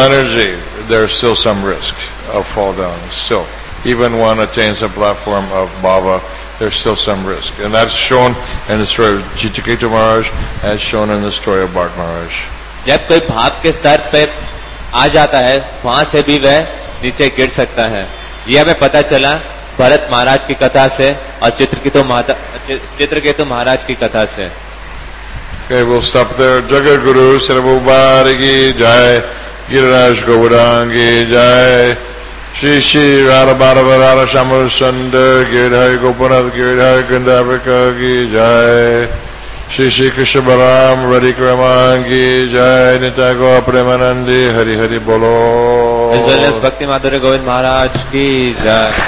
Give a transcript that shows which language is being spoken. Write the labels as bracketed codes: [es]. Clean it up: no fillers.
[en] energy, there is still some risk of fall down. So even one attains a platform of bhava, there's still some risk. And that's shown in the story of Chitraketu Maharaj, as shown in the story of Bhat Maharaj. [hi] जब कोई भाव के स्तर पे आ जाता है वहां से भी वह नीचे गिर सकता है यह हमें पता चला भरत महाराज की कथा से और चित्रकेतु महाराज की कथा से [en] Okay, we'll stop there. [hi] Jagat Guru सर्वोपार की जय गिरिराज गौरांग की जय श्री श्री राधा माधव राधा श्याम सुंदर गिरिहर गोपनाथ गिरिहर गंधर्वका की जय Shri Shri Krishna Balaram Radhikramangi Jai Nitago Premanandi Hari Hari Bolo As well as Bhakti Madhura Govind Maharaj Ki Jai